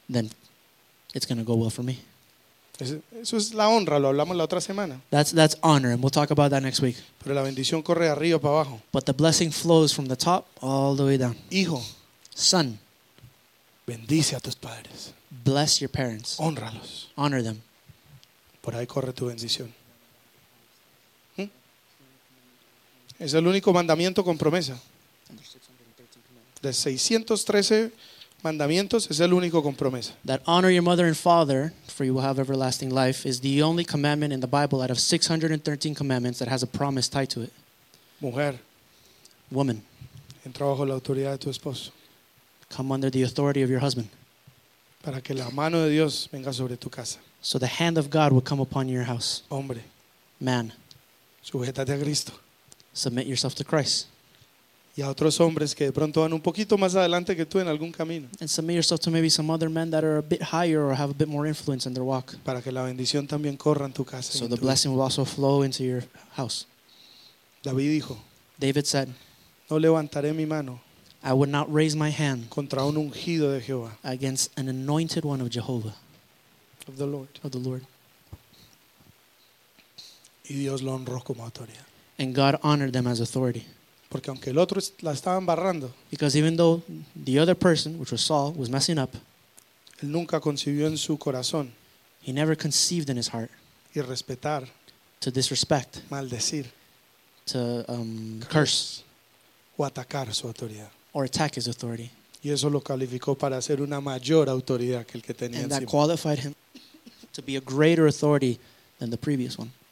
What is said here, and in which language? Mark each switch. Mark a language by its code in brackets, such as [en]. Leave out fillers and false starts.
[en] Then it's going to go well for me. [es] Eso es la honra, lo hablamos la otra semana. [en] That's honor, and we'll talk about that next week. [es] Pero la bendición corre arriba para abajo. [en] But the blessing flows from the top all the way down. [es] Hijo, [en] son, [es] bendice a tus padres. [en] Bless your parents. [es] Honralos. [en] Honor them. [es] Por ahí corre tu bendición. Es el único mandamiento con promesa. De 613 mandamientos, es el único con promesa. [en] That honor your mother and father, for you will have everlasting life, is the only commandment in the Bible out of 613 commandments that has a promise tied to it. [es] Mujer. [en] Woman. [es] Entra bajo la autoridad de tu esposo. [en] Come under the authority of your husband. [es] Para que la mano de Dios venga sobre tu casa. [en] So the hand of God will come upon your house. [es] Hombre. [en] Man. [es] Sujétate a Cristo. [en] Submit yourself to Christ. [es] Y a otros hombres que de pronto van un poquito más adelante que tú en algún camino. [en] And submit yourself to maybe some other men that are a bit higher or have a bit more influence in their walk. [es] Para que la bendición también corra en tu casa. [en] So the blessing will also flow into your house. [es] David dijo. [en] David said. [es] No levantaré mi mano. [en] I would not raise my hand. [es] Contra un ungido de Jehová. [en] Against an anointed one of Jehovah. Of the Lord. Of the Lord. [es] Y Dios lo honró como autoridad. [en] And God honored them as authority. [es] Porque aunque el otro la estaban barrando, [en] because even though the other person, which was Saul, was messing up, [es] él nunca concibió en su corazón, [en] he never conceived in his heart, [es] y respetar, [en] to disrespect, [es] maldecir, [en] to curse, [es] o atacar su autoridad, [en] or attack his authority. [es] Y eso lo calificó para ser una mayor autoridad que el que tenía [en] and [es] encima. [en] That qualified him to be a greater authority than the previous one.